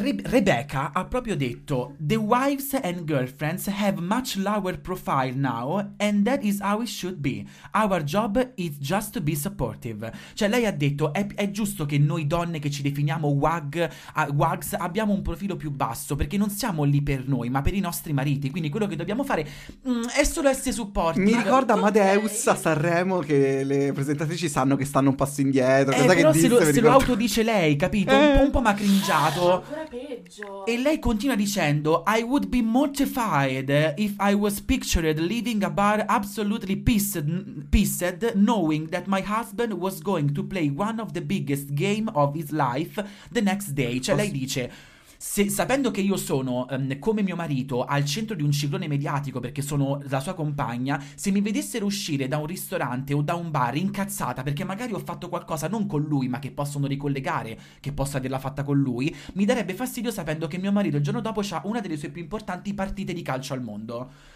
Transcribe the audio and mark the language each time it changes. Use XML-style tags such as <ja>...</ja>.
<it>Rebecca ha proprio detto,</it> <en>the wives and girlfriends have much lower profile now, and that is how it should be. Our job is just to be supportive.</en> <it>Cioè lei ha detto, è giusto che noi donne che ci definiamo WAGs abbiamo un profilo più basso, perché non siamo lì per noi ma per i nostri mariti. Quindi quello che dobbiamo fare è solo essere supporti. Mi ricorda Amadeus a Sanremo, che le presentatrici sanno che stanno un passo indietro. Cosa Però che disse, se lo autodice lei, capito? Un po' macringiato. Ancora peggio. E lei continua dicendo,</it> <en>I would be mortified if I was pictured leaving a bar absolutely pissed, knowing that my husband was going to play one of the biggest game of his life the next day.</en> <it>Cioè lei dice, se, sapendo che io sono come mio marito al centro di un ciclone mediatico perché sono la sua compagna, se mi vedessero uscire da un ristorante o da un bar incazzata perché magari ho fatto qualcosa non con lui ma che possono ricollegare che posso averla fatta con lui, mi darebbe fastidio sapendo che mio marito il giorno dopo c'ha una delle sue più importanti partite di calcio al mondo.</it>